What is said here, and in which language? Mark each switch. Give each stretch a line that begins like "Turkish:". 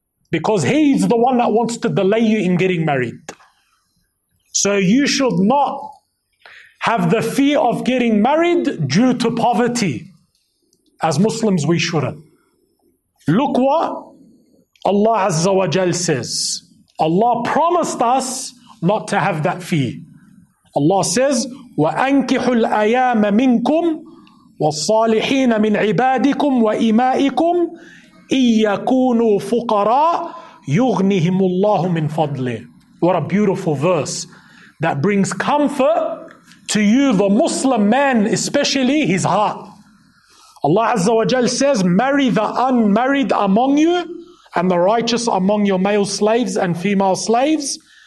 English: Because he's the one that wants to delay you in getting married. So you should not have the fear of getting married due to poverty. As Muslims, we shouldn't. Look what Allah Azza wa Jal says. Allah promised us not to have that fear. Allah says,
Arabic: وَأَنْكِحُ الْأَيَامَ مِنْكُمْ وَالصَّالِحِينَ مِنْ عِبَادِكُمْ وَإِمَائِكُمْ إِنْ يَكُونُوا فُقَرَىٰ يُغْنِهِمُ اللَّهُ مِنْ فَضْلِهِ.
English: What a beautiful verse that brings comfort to you, the Muslim man, especially his heart. Allah Azza wa Jal says, marry the unmarried among you and the righteous among your male slaves and female slaves.